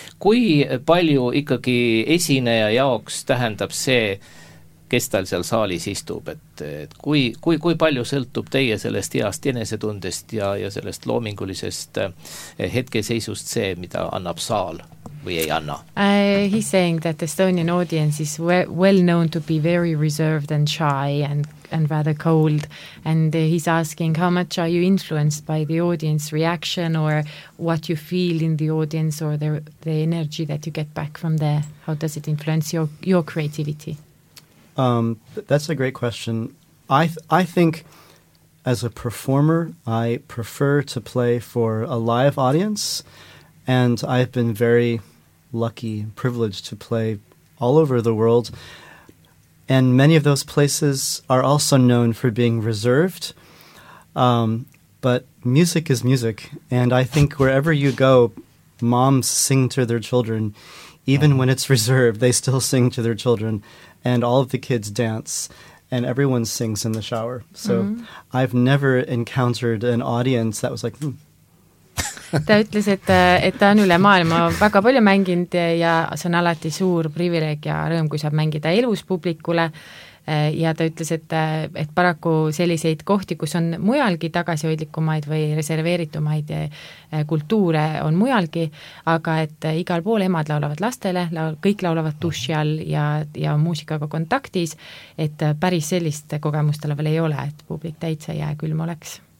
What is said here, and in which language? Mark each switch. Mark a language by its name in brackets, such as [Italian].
[Estonian] Kui palju ikkagi esineja jaoks tähendab see, kes tal seal saalis istub? Et kui palju sõltub teie sellest heast enesetundest ja sellest loomingulisest hetkeseisust see, mida annab saal? [English] He's saying that the Estonian audience is well known to be very reserved and shy and rather cold, and he's asking how much are you influenced by the audience reaction or what you feel in the audience or the energy that you get back from there. How does it influence your creativity? That's a great question. I think as a performer, I prefer to play for a live audience, and I've been very lucky and privileged to play all over the world. And many of those places are also known for being reserved. But music is music. And I think wherever you go, moms sing to their children. Even when it's reserved, they still sing to their children. And all of the kids dance. And everyone sings in the shower. So I've never encountered an audience that was like, [Estonian] Ta ütles, et ta on üle maailma väga palju mänginud ja see on alati suur privileeg ja rõõm, kui saab mängida elus publikule. Ja ta ütles, et paraku selliseid kohti, kus on mujalgi tagasihoidlikumaid või reserveeritumaid kultuure on mujalgi, aga et igal pool emad laulavad lastele, kõik laulavad tuši all ja muusikaga kontaktis, et päris sellist kogemustele veel ei ole, et publik täitsa jää külm oleks.